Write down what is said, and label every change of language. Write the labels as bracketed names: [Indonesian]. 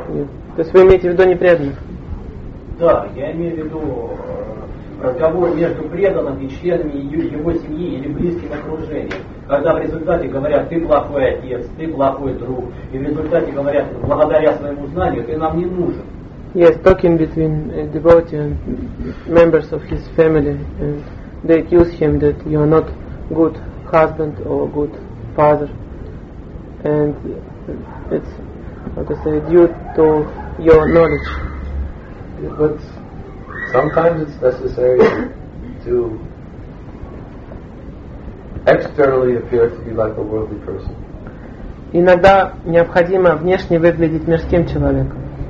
[Russian] Yeah. То есть вы имеете в виду непреданных? Да, я имею в виду разговор между преданным и членами его семьи или близким окружением. Когда в результате говорят, ты плохой отец, ты плохой друг, и в результате говорят, благодаря своему знанию, ты нам не нужен. [English] Yes, talking between devotee and members of his family, and they accuse him that you are not good husband or good father, and it's, like I say, due to your knowledge. Yeah, but sometimes it's necessary to externally appear to be like a worldly person. [Russian] Иногда необходимо внешне выглядеть мирским человеком.